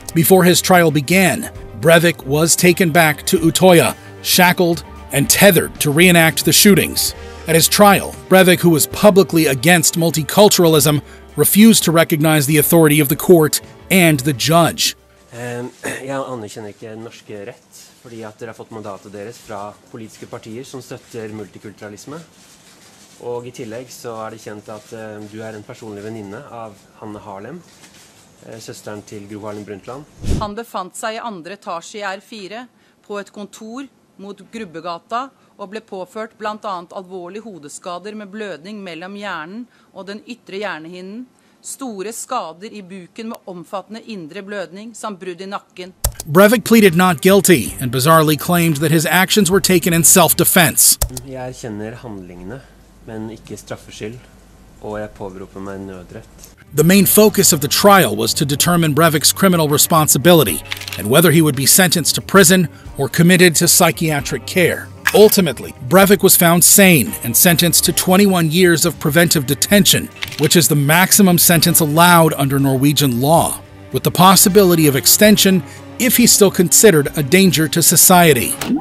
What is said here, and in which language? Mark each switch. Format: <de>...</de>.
<en>Before his trial began, Breivik was taken back to Utøya, shackled and tethered to reenact the shootings. At his trial, Breivik, who was publicly against multiculturalism, refused to recognize the authority of the court and the judge.</en> <no>Jeg anerkjenner ikke norsk rett, fordi at dere har fått mandatet deres fra politiske partier som støtter multikulturalisme. Og I tillegg så det kjent at du en personlig venninne av Hanne Harlem. Søsteren til Gro Harlem Brundtland. Han befant seg I andre etasje I R4 på et kontor mot Grubbegata og ble påført blant annet alvorlige hodeskader med blødning mellom hjernen og den ytre hjernehinnen, store skader I buken med omfattende indre blødning samt brudd I nakken.</no> <en>Breivik pleaded not guilty and bizarrely claimed that his actions were taken in self-defense.</en> <no>Jeg erkjenner handlingene, men ikke straffeskyld, og jeg påberoper meg nødrett.</no> <en>The main focus of the trial was to determine Breivik's criminal responsibility and whether he would be sentenced to prison or committed to psychiatric care. Ultimately, Breivik was found sane and sentenced to 21 years of preventive detention, which is the maximum sentence allowed under Norwegian law, with the possibility of extension if he's still considered a danger to society.</en>